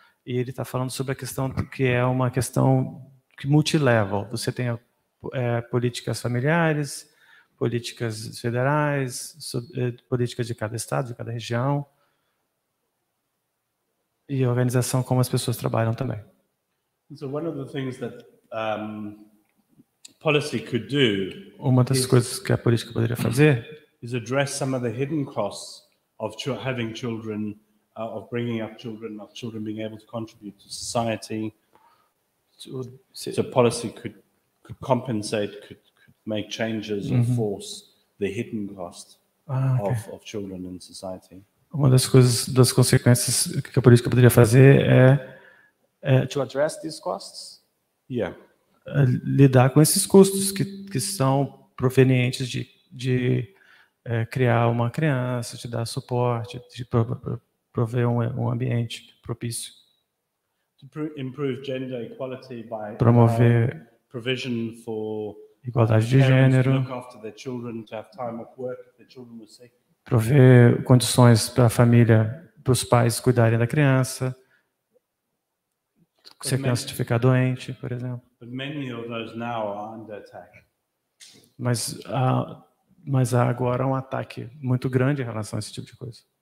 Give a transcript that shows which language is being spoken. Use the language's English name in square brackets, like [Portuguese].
[Portuguese] E ele está falando sobre a questão que é uma questão multilevel. Você tem políticas familiares, políticas federais, políticas de cada estado, de cada região, e organização como as pessoas trabalham também. [English] So one of the things that policy could do, [Portuguese] uma das coisas que a política poderia fazer, [English] is address some of the hidden costs of having children, of bringing up children, of children being able to contribute to society. So policy could compensate, could make changes or force the hidden costs of children in society. [Portuguese] Uma das coisas, das consequências que a política poderia fazer é [English] to address these costs. Yeah. [Portuguese] Lidar com esses custos que são provenientes de criar uma criança, de dar suporte, de prover um ambiente propício. [English] To improve gender equality by [Portuguese] promover [English] provision for [Portuguese] igualdade de gênero, [English] to look after their children, to have time off work if their children were sick. [Portuguese] Prover condições para a família, para os pais cuidarem da criança. Se a criança ficar doente, por exemplo. [English] But many of those now are under attack. [Portuguese] Mas há agora um ataque muito grande em relação a esse tipo de coisa.